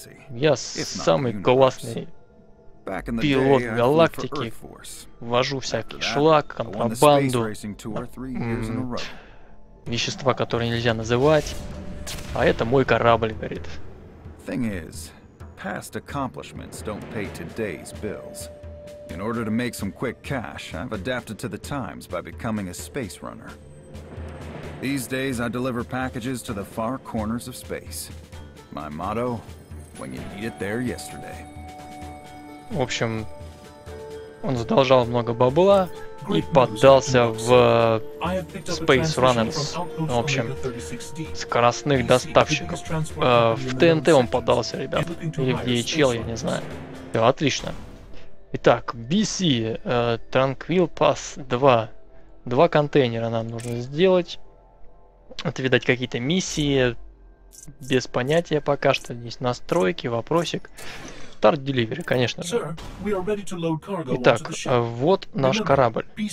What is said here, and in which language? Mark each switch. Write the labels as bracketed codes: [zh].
[ru] Я самый классный пилот галактики. Вожу всякий шлак, контрабанду, вещества, которые нельзя называть. А это мой корабль, говорит. [en] Thing is, past accomplishments don't pay today's bills. In order to make some quick cash, I've adapted to the times by becoming a space runner. These days, I deliver packages to the far corners of space. My motto: when you need it there yesterday. [ru] В общем, он задолжал много бабла и поддался в Space Runners, в общем, скоростных доставщиков. В ТНТ он поддался, ребят, или в DHL, я не знаю. Все, отлично. Итак, BC, Tranquil Pass 2. Два контейнера нам нужно сделать. Это, видать, какие-то миссии, без понятия пока что, здесь настройки, вопросик. Старт деливери, конечно же. Итак, вот наш корабль.